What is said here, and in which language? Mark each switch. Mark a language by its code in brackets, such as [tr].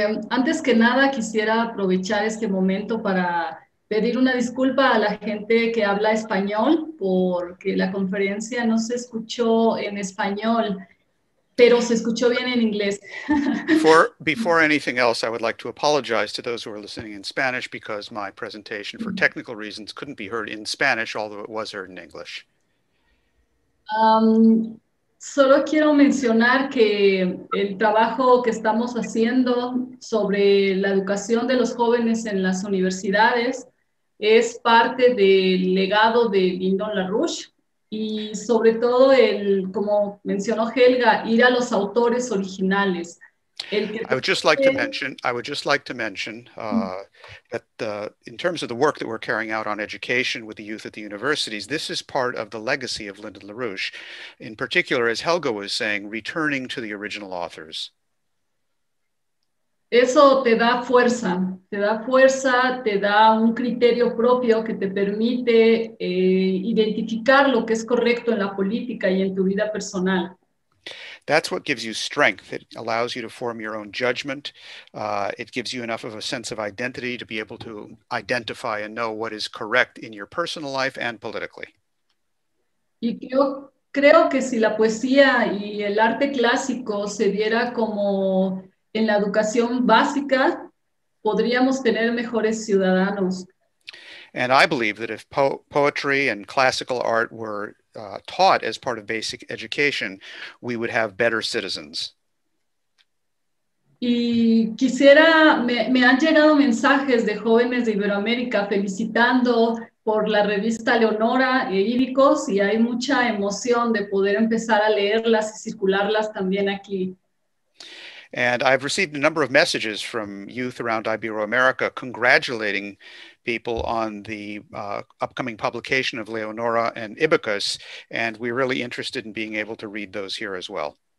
[es] Antes que nada, quisiera aprovechar este momento para pedir una disculpa a la gente que habla español porque la conferencia no se escuchó en español, pero se escuchó bien en inglés. [en] Before anything else, I would like to apologize to those who are listening in Spanish because my presentation, for technical reasons, couldn't be heard in Spanish, although it was heard in English. [es] Solo quiero mencionar que el trabajo que estamos haciendo sobre la educación de los jóvenes en las universidades es parte del legado de Lyndon LaRouche y sobre todo el, como mencionó Helga, ir a los autores originales. [en] I would just like to mention that in terms of the work that we're carrying out on education with the youth at the universities, this is part of the legacy of Lyndon LaRouche, in particular, as Helga was saying, returning to the original authors. [es] Eso te da fuerza, te da un criterio propio que te permite identificar lo que es correcto en la política y en tu vida personal. [en] That's what gives you strength. It allows you to form your own judgment. It gives you enough of a sense of identity to be able to identify and know what is correct in your personal life and politically. [es] Y yo creo que si la poesía y el arte clásico se diera como en la educación básica, podríamos tener mejores ciudadanos. [en] And I believe that if poetry and classical art were taught as part of basic education, we would have better citizens. [es] Y quisiera, me han llegado mensajes de jóvenes de Iberoamérica felicitando por la revista Leonora e Iricos, y hay mucha emoción de poder empezar a leerlas y circularlas también aquí. [en] And I've received a number of messages from youth around Iberoamérica congratulating people on the upcoming publication of Leonora and Ibicus, and we're really interested in being able to read those here as well.